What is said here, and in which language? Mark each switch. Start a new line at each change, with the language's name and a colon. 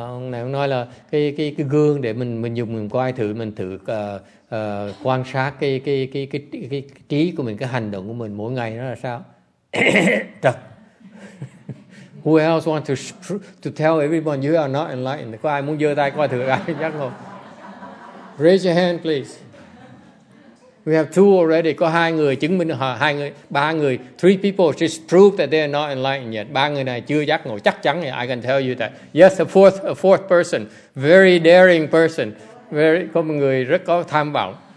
Vietnamese: Này ông nói là cái gương để mình dùng mình quay thử mình thử quan sát cái trí của mình, cái hành động của mình mỗi ngày nó là sao.
English: Who else want to tell everyone you are not enlightened?
Vietnamese: Có ai muốn giơ tay quay thử ai chắc không?
English: Raise your hand, please. We have two already.
Vietnamese: Có hai người chứng minh, ba người,
English: three people just proved that they are not enlightened yet.
Vietnamese: Ba người này chưa giác ngộ chắc chắn.
English: I can tell you that. Yes, a fourth person, very daring person, very,
Vietnamese: có một người rất có tham vọng.